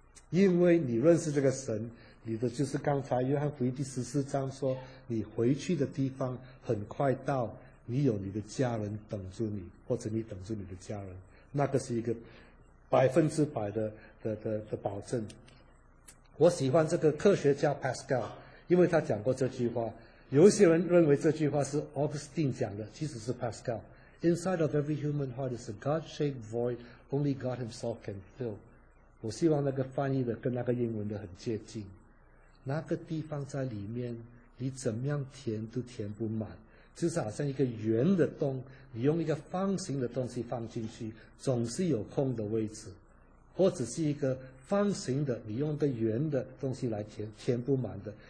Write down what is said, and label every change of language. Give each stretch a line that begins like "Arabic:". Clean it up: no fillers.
Chinese: 因为你认识这个神，你的就是刚才约翰福音第十四章说，你回去的地方很快到，你有你的家人等着你，或者你等着你的家人，那个是一个百分之百 的保证。我喜欢这个科学家 Pascal， 因为他讲过这句话。有些人认为这句话是 Augustine 讲的，其实是 Pascal。
English: Inside of every human heart is a God-shaped void only God himself can fill。
Chinese: 我希望那个翻译的跟那个英文的很接近，那个地方在里面你怎么样填都填不满，就是好像一个圆的洞，你用一个方形的东西放进去总是有空的位置，或者是一个方形的，你用个圆的东西来填，填不满的。